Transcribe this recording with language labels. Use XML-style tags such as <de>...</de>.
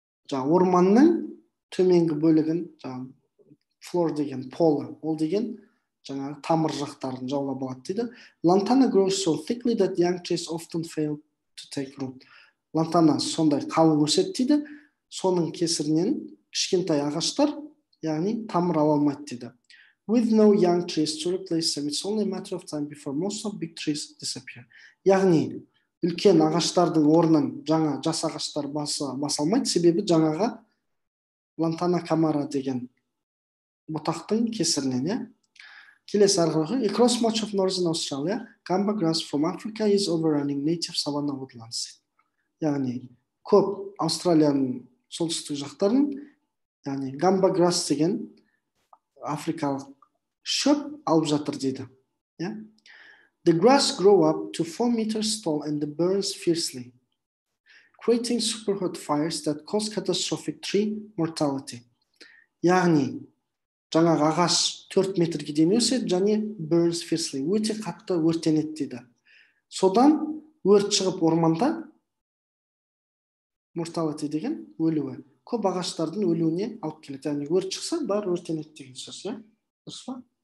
<kk>Жаңа орманның төменгі бөлігін, жаңа floor деген полы, ол деген жаңа тамыр жақтарын жаулап алады дейді.</kk> <en>Lantana grows so thickly that young trees often fail to take root.</en> <kk>Lantana сондай қалың өседі дейді. Соның кесірінен кішкентай ағаштар, яғни тамыр ала алмайды дейді.</kk> <en>With no young trees to replace them, it's only a matter of time before most of big trees disappear.</en> <kk>Яғни үлкен ағаштардың орнын жаңа жас ағаштар баса алмайды, себебі жаңаға Lantana camara деген бұтақтың кесірінен. Келесі арқылы,</kk> <en>across much of northern Australia, gamba grass from Africa is overrunning native savanna woodlands.</en> <kk>Яғни, көп Австралияның солтүстік жақтарын, яғни, gamba grass деген африкалық шөп алып жатыр дейді.</kk> <en>The grass grow up to 4 meters tall and the burns fiercely, creating super hot fires that cause catastrophic tree mortality.</en> <kk>Яғни, жаңағы ағаш 4 метрге дейін өседі, және</kk> <en>burns fiercely,</en> <kk>өте қатты өртенеді дейді. Содан өрт шығып орманда mortality деген өлуі. Көп ағаштардың өлуіне алып келеді. Яғни, өрт шықса, бар өртенеді деген сөз. Дұрыс па?</kk>